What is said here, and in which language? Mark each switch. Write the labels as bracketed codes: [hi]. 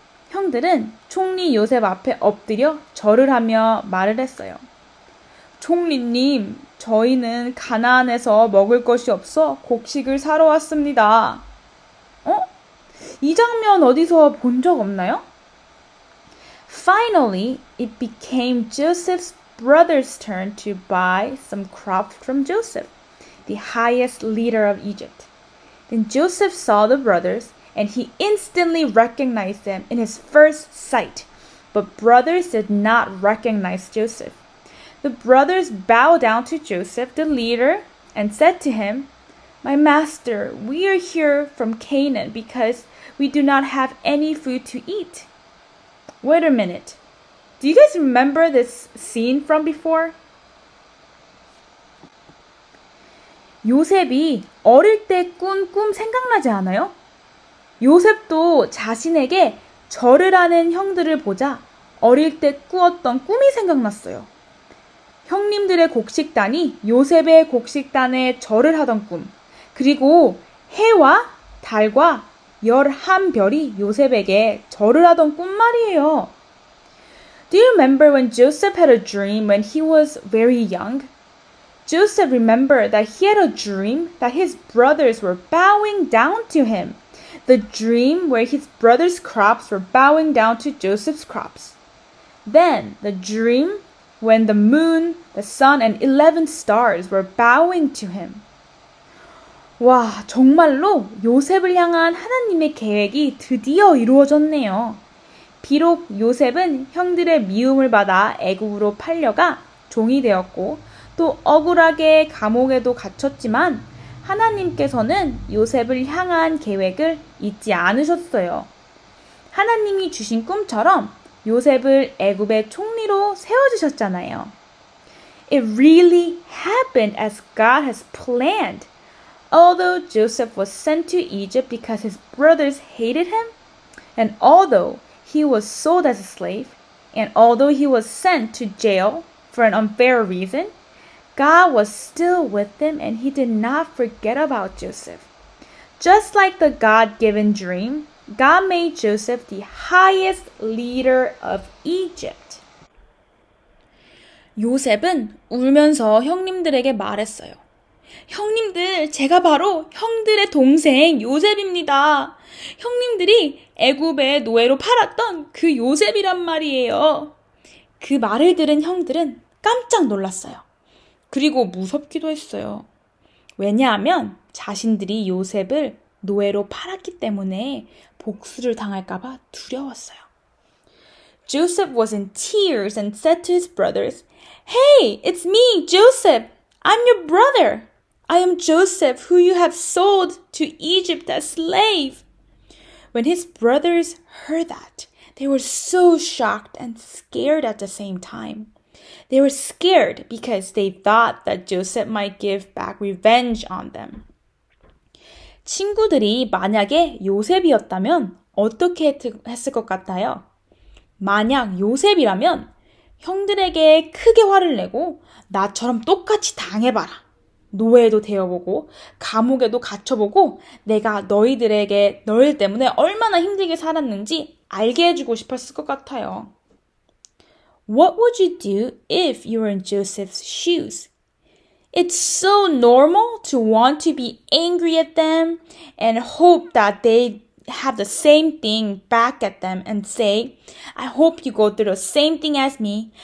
[ko] 형들은 총리 요셉 앞에 엎드려 절을 하며 말을 했어요. 총리님, 저희는 가나안에서 먹을 것이 없어 곡식을 사러 왔습니다. 어? 이 장면 어디서 본 적 없나요? [en] Finally, it became Joseph's brother's turn to buy some crops from Joseph, the highest leader of Egypt. Then Joseph saw the brothers, and he instantly recognized them in his first sight. But brothers did not recognize Joseph. The brothers bowed down to Joseph, the leader, and said to him, "My master, we are here from Canaan because we do not have any food to eat." Wait a minute. Do you guys remember this scene from before? [ko] 요셉이 어릴 때 꾼 꿈 생각나지 않아요? 요셉도 자신에게 절을 하는 형들을 보자 어릴 때 꾸었던 꿈이 생각났어요. 형님들의 곡식단이 요셉의 곡식단에 절을 하던 꿈, 그리고 해와 달과 11별이 요셉에게 절을 하던 꿈 말이에요. [en] Do you remember when Joseph had a dream when he was very young? Joseph remembered that he had a dream that his brothers were bowing down to him. The dream where his brothers' crops were bowing down to Joseph's crops. Then the dream when the moon, the sun, and 11 stars were bowing to him. [ko] 와, 정말로 요셉을 향한 하나님의 계획이 드디어 이루어졌네요. 비록 요셉은 형들의 미움을 받아 애굽으로 팔려가 종이 되었고 또 억울하게 감옥에도 갇혔지만 하나님께서는 요셉을 향한 계획을 잊지 않으셨어요. 하나님이 주신 꿈처럼 요셉을 애굽의 총리로 세워주셨잖아요. [en] It really happened as God has planned. Although Joseph was sent to Egypt because his brothers hated him, and although he was sold as a slave, and although he was sent to jail for an unfair reason, God was still with him and he did not forget about Joseph. Just like the God-given dream, God made Joseph the highest leader of Egypt. [ko] 요셉은 울면서 형님들에게 말했어요. 형님들, 제가 바로 형들의 동생 요셉입니다. 형님들이 애굽의 노예로 팔았던 그 요셉이란 말이에요. 그 말을 들은 형들은 깜짝 놀랐어요. 그리고 무섭기도 했어요. 왜냐하면 자신들이 요셉을 노예로 팔았기 때문에 복수를 당할까봐 두려웠어요. [en] Joseph was in tears and said to his brothers, "Hey, it's me, Joseph. I'm your brother. I am Joseph, who you have sold to Egypt as slave." When his brothers heard that, they were so shocked and scared at the same time. They were scared because they thought that Joseph might give back revenge on them. [ko] 친구들이 만약에 요셉이었다면 어떻게 했을 것 같아요? 만약 요셉이라면 형들에게 크게 화를 내고 나처럼 똑같이 당해봐라. 노예도 되어보고 감옥에도 갇혀보고 내가 너희들에게 너희 때문에 얼마나 힘들게 살았는지 알게 해주고 싶었을 것 같아요. [en] What would you do if you were in Joseph's shoes? It's so normal to want to be angry at them and hope that they have the same thing back at them and say, "I hope you go through the same thing as me.